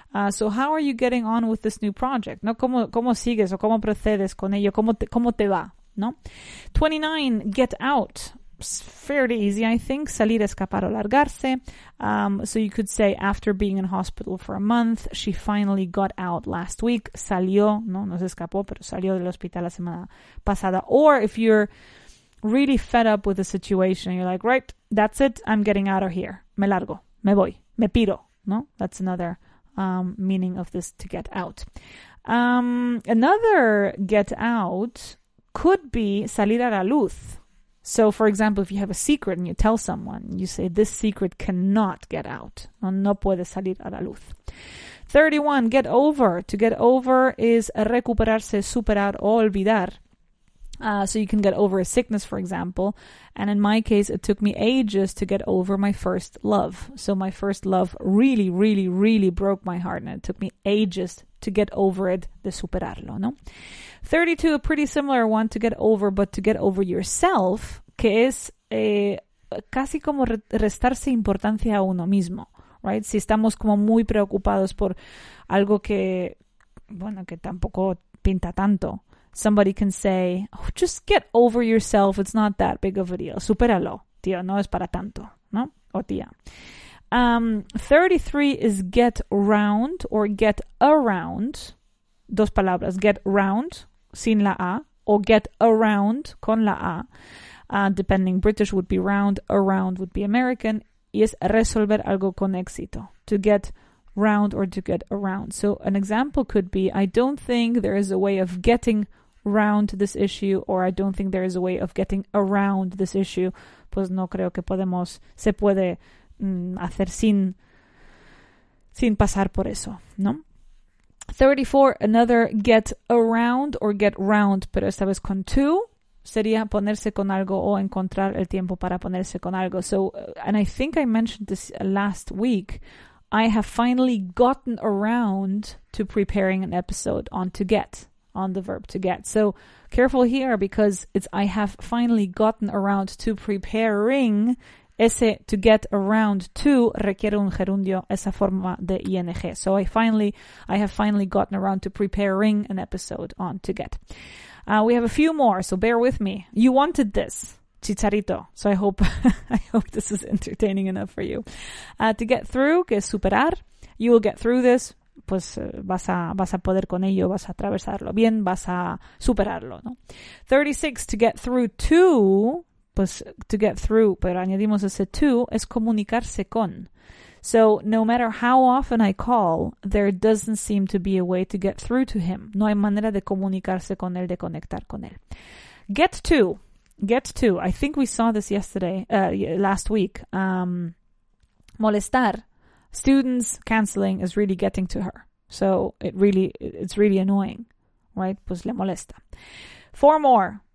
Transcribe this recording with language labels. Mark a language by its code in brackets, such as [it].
[en] So how are you getting on with this new project? [es] ¿No? ¿Cómo sigues o cómo procedes con ello? ¿Cómo te va? ¿No? [en] 29, get out. It's fairly easy, I think. [es] Salir, escapar o largarse. [en] So you could say, after being in hospital for a month, she finally got out last week. [es] Salió, no, no se escapó, pero salió del hospital la semana pasada. [en] Or if you're really fed up with the situation, you're like, right, that's it, I'm getting out of here. [es] Me largo, me voy, me piro, no? [en] That's another meaning of this, to get out. Another get out could be [es] salir a la luz. [en] So, for example, if you have a secret and you tell someone, you say, this secret cannot get out. [es] No puede salir a la luz. 31, get over. To get over is recuperarse, superar o olvidar. [en] So you can get over a sickness, for example. And in my case, it took me ages to get over my first love. So my first love really, really, really broke my heart. And it took me ages to get over it, [es] de superarlo, ¿no? [en] 32, a pretty similar one, to get over, but to get over yourself, [es] que es casi como restarse importancia a uno mismo, right? Si estamos como muy preocupados por algo que, bueno, que tampoco pinta tanto. [en] Somebody can say, oh, just get over yourself, it's not that big of a deal. [es] Supéralo, tío, no es para tanto, ¿no? O tía. [en] 33 is get round or get around. [es] Dos palabras, get round sin la A o get around con la A. [en] Depending, British would be round, around would be American. [es] Y es resolver algo con éxito. [en] To get round or to get around. So an example could be, I don't think there is a way of getting round this issue, or I don't think there is a way of getting around this issue. [es] Pues no creo que podemos, se puede hacer sin pasar por eso, ¿no? 34, [en] another get around or get round, [es] pero esta vez con two, sería ponerse con algo o encontrar el tiempo para ponerse con algo. [en] So, and I think I mentioned this last week, I have finally gotten around to preparing an episode on to get, on the verb to get. So careful here, because it's I have finally gotten around to preparing. [es] Ese to get around to requiere un gerundio, esa forma de ing. [en] So I have finally gotten around to preparing an episode on to get. We have a few more, so bear with me. You wanted this, Chicharito. So I hope this is entertaining enough for you. To get through, [es] que es superar. [en] You will get through this. [es] Pues vas a poder con ello, vas a atravesarlo bien, vas a superarlo, ¿no? 36, to get through to, pues to get through, pero añadimos ese to, es comunicarse con. [en] So no matter how often I call, there doesn't seem to be a way to get through to him. [es] No hay manera de comunicarse con él, de conectar con él. [en] Get to. I think we saw this last week. Molestar. Students canceling is really getting to her. So it's really annoying, right? [es] Pues le molesta. [en] Four more.